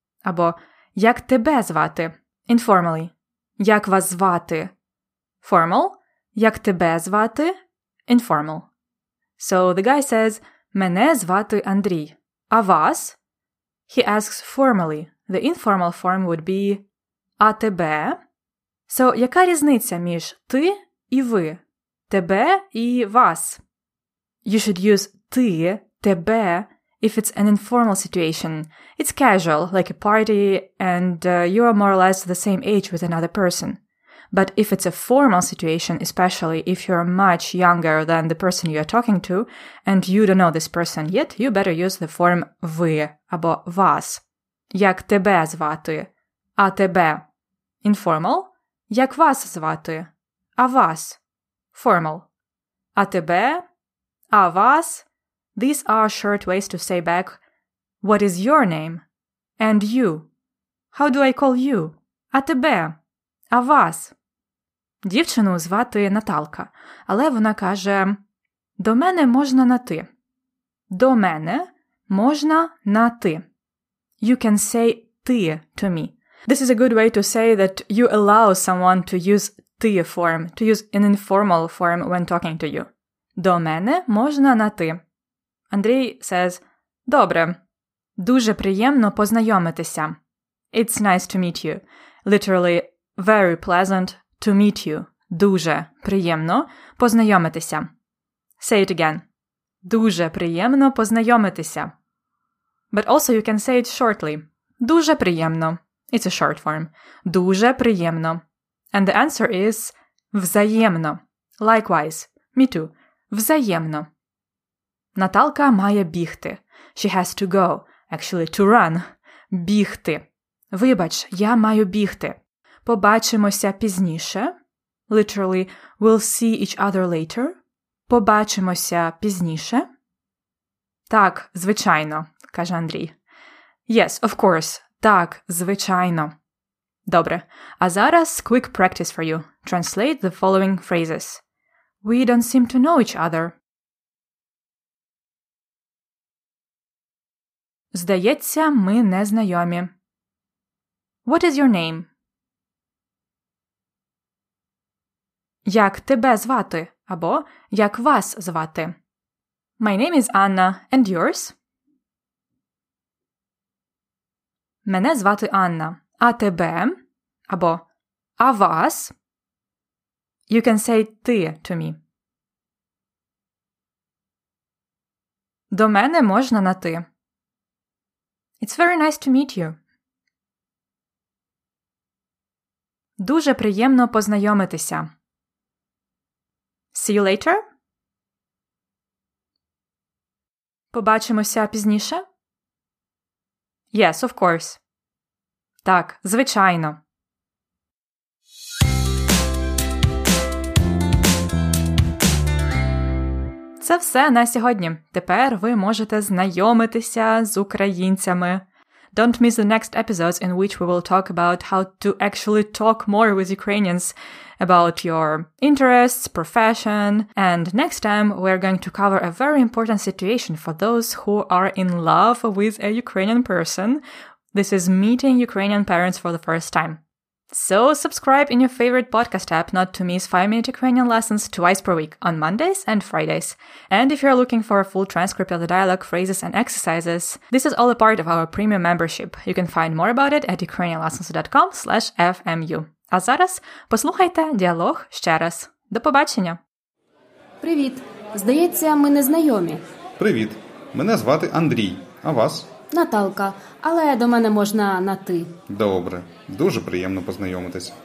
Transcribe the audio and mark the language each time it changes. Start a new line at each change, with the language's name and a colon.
Ukrainian: Або, як тебе звати?
English: Informally.
Ukrainian: Як вас звати?
English: Formal.
Ukrainian: Як тебе звати?
English: Informal. So the guy says,
Ukrainian: мене звати Андрій. А вас?
English: He asks formally. The informal form would be,
Ukrainian: а тебе? So яка різниця між ти і ви? Тебе і вас?
English: You should use ти, тебе, if it's an informal situation. It's casual, like a party, and you are more or less the same age with another person. But if it's a formal situation, especially if you're much younger than the person you're talking to, and you don't know this person yet, you better use the form «ви» або «вас».
Ukrainian: Як тебе звати? А тебе?
English: Informal.
Ukrainian: Як вас звати? А вас?
English: Formal.
Ukrainian: А тебе? А вас?
English: These are short ways to say back «What is your name?» And you? How do I call you?
Ukrainian: А тебе? А вас? Дівчину звати Наталка, але вона каже «До мене можна на ти». «До мене можна на ти».
English: You can say «ти» to me. This is a good way to say that you allow someone to use «ти» form, to use an informal form when talking to you.
Ukrainian: «До мене можна на ти». Андрій
English: says
Ukrainian: «Добре, дуже приємно познайомитися».
English: It's nice to meet you. Literally, very pleasant. To meet you.
Ukrainian: Дуже приємно познайомитися.
English: Say it again.
Ukrainian: Дуже приємно познайомитися.
English: But also you can say it shortly.
Ukrainian: Дуже приємно.
English: It's a short form.
Ukrainian: Дуже приємно.
English: And the answer is
Ukrainian: взаємно.
English: Likewise. Me too.
Ukrainian: Взаємно. Наталка має бігти.
English: She has to go. Actually, to run.
Ukrainian: Бігти. Вибач, я маю бігти. Побачимося пізніше.
English: Literally, we'll see each other later.
Ukrainian: Побачимося пізніше. Так, звичайно, каже Андрій.
English: Yes, of course.
Ukrainian: Так, звичайно. Добре. А зараз
English: quick practice for you. Translate the following phrases. We don't seem to know each other.
Ukrainian: Здається, ми не знайомі.
English: What is your name?
Ukrainian: Як тебе звати? Або як вас звати?
English: My name is Anna, and yours?
Ukrainian: Мене звати Анна. А тебе? Або а вас?
English: You can say ти to me.
Ukrainian: До мене можна на ти.
English: It's very nice to meet you.
Ukrainian: Дуже приємно познайомитися.
English: See you later.
Ukrainian: Побачимося пізніше?
English: Yes, of course.
Ukrainian: Так, звичайно. Це все на сьогодні. Тепер ви можете знайомитися з українцями.
English: Don't miss the next episodes in which we will talk about how to actually talk more with Ukrainians about your interests, profession, and next time we're going to cover a very important situation for those who are in love with a Ukrainian person. This is meeting Ukrainian parents for the first time. So subscribe in your favorite podcast app not to miss 5-minute Ukrainian lessons twice per week, on Mondays and Fridays. And if you're looking for a full transcript of the dialogue, phrases and exercises, this is all a part of our premium membership. You can find more about it at ukrainianlessons.com/fmu.
Ukrainian: А зараз послухайте діалог ще раз. До побачення! Привіт! Здається, ми не знайомі. Привіт! Мене звати Андрій. А вас? Наталка, але до мене можна на ти. Добре, дуже приємно познайомитись.